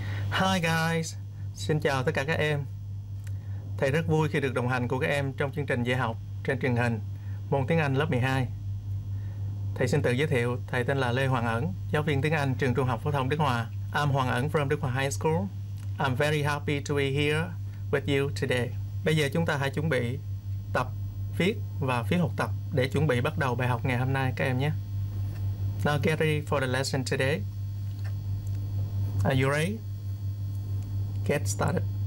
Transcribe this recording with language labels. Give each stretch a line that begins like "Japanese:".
English: Hi guys,
Vietnamese: xin chào tất cả các em. Thầy rất vui khi được đồng hành cùng các em trong chương trình dạy học trên truyền hình môn tiếng Anh lớp 12. Thầy xin tự giới thiệu, thầy tên là Lê Hoàng Ẩn, giáo viên tiếng Anh trường Trung học phổ thông Đức Hòa.
English: I'm Hoàng Ẩn from Đức Hòa High School. I'm very happy to be here with you today.
Vietnamese: Bây giờ chúng ta hãy chuẩn bị tập viết và phiếu học tập để chuẩn bị bắt đầu bài học ngày hôm nay các em nhé.
English: Now get ready for the lesson today. Are you ready? Get started.